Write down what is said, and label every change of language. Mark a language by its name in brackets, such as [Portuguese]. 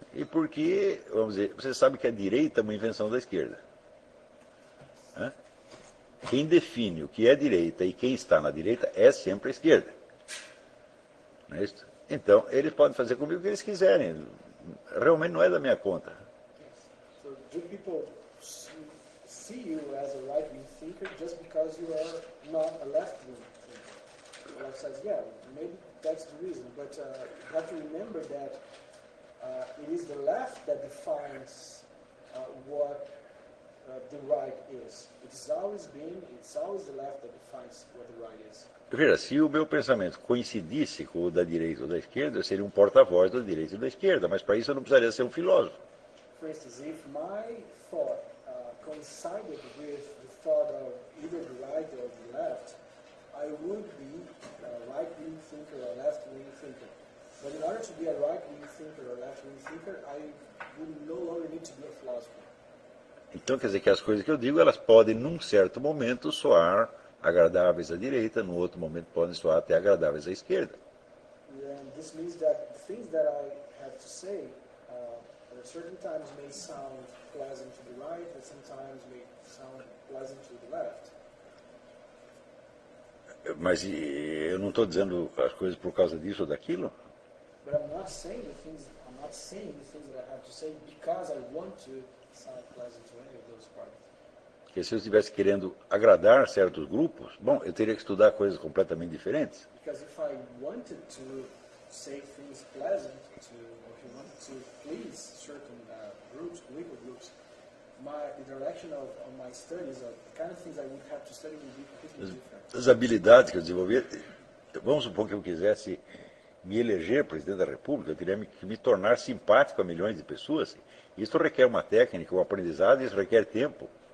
[Portuguese] E porque, vamos dizer, você sabe que a direita é uma invenção da esquerda. Hã? Quem define o que é direita e quem está na direita é sempre a esquerda. Não é isso? Então, eles podem fazer comigo o que eles quiserem. Realmente não é da minha conta. [English] Então, see you as a right wing thinker just because you are not a left wing thinker. The left says, yeah, maybe that's the reason. But you have to remember that it is the left that defines what the right is. It's always the left that defines what the right is. [Portuguese] Veja, se o meu pensamento coincidisse com o da direita ou da esquerda, eu seria um porta-voz da direita ou da esquerda, mas para isso eu não precisaria ser um filósofo. [English] For instance, if my thought coincided with the thought of either the right or the left, I would be a right-wing thinker or left-wing thinker. But in order to be a right-wing thinker or left-wing thinker, I would no longer need to be a philosopher. [Portuguese] Então quer dizer que as coisas que eu digo, elas podem num certo momento soar agradáveis à direita, no outro momento podem soar até agradáveis à esquerda. [English] And this means that things that I have to say certain times may sound pleasant to the right, and sometimes may sound pleasant to the left. [Portuguese] Mas eu não estou dizendo as coisas por causa disso ou daquilo. [English] But I'm not saying the things that I have to say because I want to sound pleasant to any of those parties. [Portuguese] Porque se eu estivesse querendo agradar certos grupos, bom, eu teria que estudar coisas completamente diferentes. [English] Because if I wanted to say things pleasant to to please certain groups, legal groups, the direction of my studies, the kind of things I would have to study would be completely different. [Portuguese] As habilidades que eu desenvolvi, vamos supor que eu quisesse me eleger presidente da República, eu teria que me tornar simpático a milhões de pessoas. Isso requer uma técnica, um aprendizado, isso requer tempo.